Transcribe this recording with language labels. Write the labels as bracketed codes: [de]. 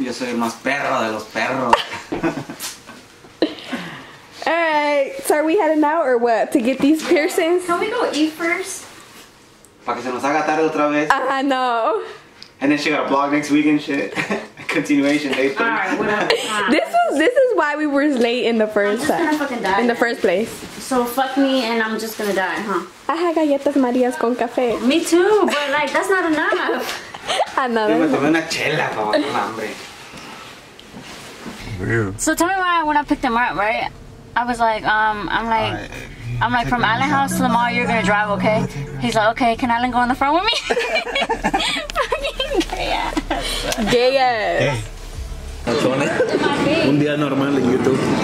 [es] Yo soy el más perro de los perros. [en] Alright, so are we heading out or what? To get these piercings? Can we go eat first? [es] Pa' que se nos haga tarde otra vez. [en] I know. And then she got a blog next week and shit. Continuation. Alright, whatever. This is why we were late in the first place. I'm just gonna fucking die. In the first place. So fuck me and I'm just gonna die, huh? I have [es] galletas Marias con café. [en] Me too, but like, that's not enough. I know. [es] Yo me tomé una chela pa' matar el hambre. [en] for you. So tell me why when I picked them up, right? I was like, I'm like from Allen House to the mall, you're gonna drive, okay? He's like, okay, can Allen go in the front with me? Fucking gay ass. Gay ass. Hey. [es] Un día normal en YouTube.